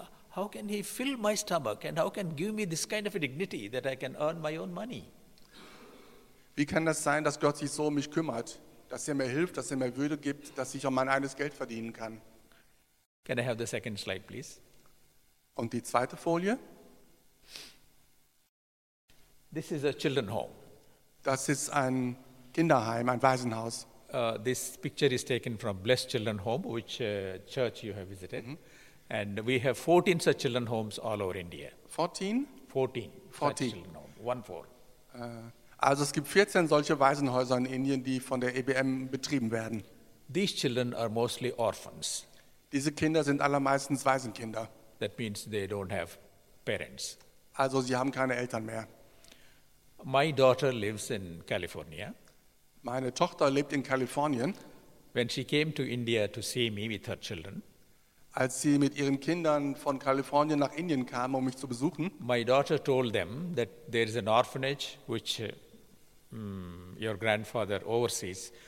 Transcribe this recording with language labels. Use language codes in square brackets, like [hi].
[en] How can he fill my stomach? And how can give me this kind of a dignity that I can earn my own money? [de] Wie kann das sein, dass Gott sich so um mich kümmert? Dass er mir hilft, dass er mir Würde gibt, dass ich auch mein eigenes Geld verdienen kann. [en] Can I have the second slide, please? [de] Und die zweite Folie? [en] This is a children home. [de] Das ist ein Kinderheim, ein Waisenhaus. [en] This picture is taken from Blessed Children Home, which church you have visited. Mm-hmm. And we have 14 such children homes all over India. 14? 14. 14. Such children homes. 1-4. [de] Also es gibt 14 solche Waisenhäuser in Indien, die von der EBM betrieben werden. [en] These children are mostly orphans. [de] Diese Kinder sind allermeistens Waisenkinder. [en] That means they don't have parents. [de] Also sie haben keine Eltern mehr. [en] My daughter lives in California. [de] Meine Tochter lebt in Kalifornien. [en] When she came to India to see me with her children. [de] Als sie mit ihren Kindern von Kalifornien nach Indien kamen, um mich zu besuchen, [en] my daughter told them that there is an orphanage which your grandfather oversees.